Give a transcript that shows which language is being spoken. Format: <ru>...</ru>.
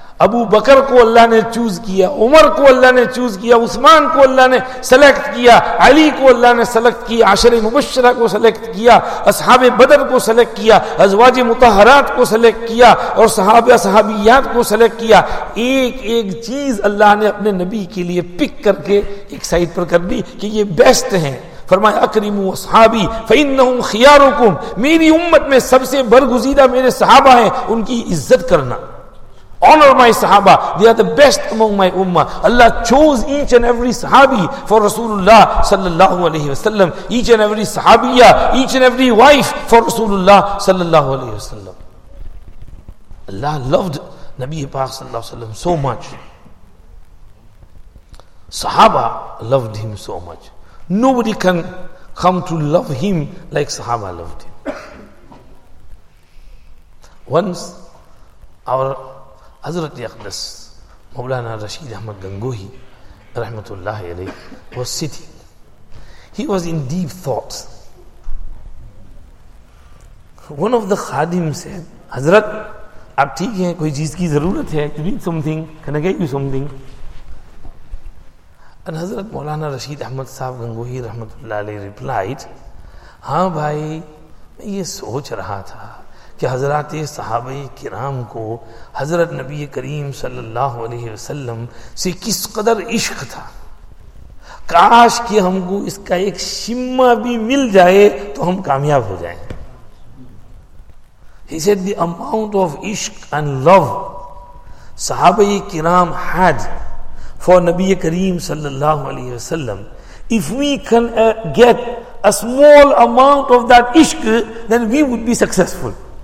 <ur>ابو بکر کو اللہ نے چوز کیا, عمر کو اللہ نے چوز کیا, عثمان کو اللہ نے سلیکٹ کیا, علی کو اللہ نے سلیکٹ کیا, عشر مبشرہ کو سلیکٹ کیا, اصحاب بدر کو سلیکٹ کیا, ازواج مطہرات کو سلیکٹ کیا اور صحابہ صحابیات کو سلیکٹ کیا. ایک ایک چیز اللہ نے اپنے نبی کے لیے پک کر کے ایک سائٹ پر کر دی کہ یہ بیسٹ ہیں. فرمایا اکرمو اصحابی فانہم خیارکم, میری امت میں سب سے برگزیدہ میرے صحابہ ہیں, ان کی عزت کرنا.</ur> <en>Honor my sahaba, they are the best among my ummah. Allah chose each and every sahabi for Rasulullah sallallahu alayhi wa sallam, each and every sahabiya, each and every wife for Rasulullah sallallahu alayhi wa sallam. Allah loved Nabi Paak sallallahu alayhi wa sallam so much. Sahaba loved him so much. Nobody can come to love him like sahaba loved him. Once our حضرت اقدس مولانا رشید احمد گنگوہی رحمت اللہ علیہ was sitting. He was in deep thoughts. One of the khadim said,</en> <ur>حضرت آپ ٹھیک ہیں, کوئی چیز کی ضرورت ہے,</ur> <en>you need something, can I get you something?</en> <ur>And حضرت مولانا رشید احمد صاحب گنگوہی رحمت اللہ علیہ replied, ہاں بھائی میں یہ سوچ رہا تھا کہ حضرات صحابہ کرام کو حضرت نبی کریم صلی اللہ علیہ وسلم سے کس قدر عشق تھا, کاش کہ ہم کو اس کا ایک شمع بھی مل جائے تو ہم کامیاب ہو جائیں.</ur> <en>He said the amount of عشق and love صحابہ کرام had for نبی کریم صلی اللہ علیہ وسلم, if we can get a small amount of that عشق then we would be successful.</en>